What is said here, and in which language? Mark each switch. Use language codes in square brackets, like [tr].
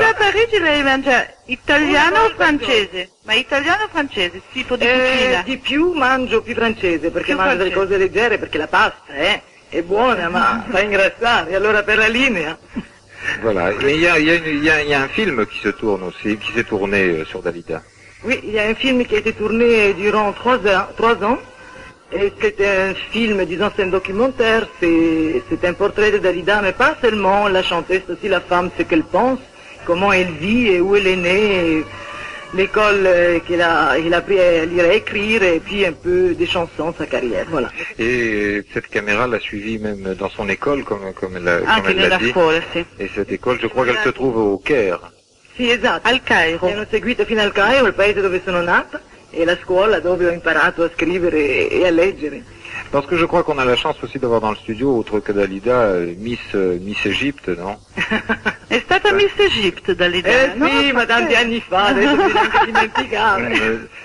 [it] Quando a Parigi lei mangia italiano o francese? Ma italiano o francese? Tipo di cucina? Di più mangio più francese, perché mangio delle cose leggere, perché la pasta è buona, ma fa ingrassare, allora per la linea. [fr] Voilà, il y a un film qui se tourne aussi, qui s'est tourné sur Dalida. Oui, il y a un film qui a été tourné durant 3 ans, c'est un film, disons, c'est un documentaire, c'est un portrait de Dalida, mais pas seulement la chanteuse, aussi la femme, ce qu'elle pense, comment elle vit, et où elle est née, l'école qu'elle a appris à lire et écrire, et puis un peu des chansons, sa carrière, voilà. Et cette caméra l'a suivie même dans son école, comme elle l'a dit. Et cette école, je crois qu'elle se trouve au Caire. [it] Sì, esatto. Al Cairo. Mi hanno seguito fino al Cairo, il paese dove sono nata, e la scuola dove ho imparato a scrivere e a leggere. [fr] Parce que je crois qu'on a la chance aussi d'avoir dans le studio, autre que Dalida, Miss Egypte, non? [it] È stata Miss Egypte, Dalida. Ma tanti anni fa, adesso mi dimenticavo.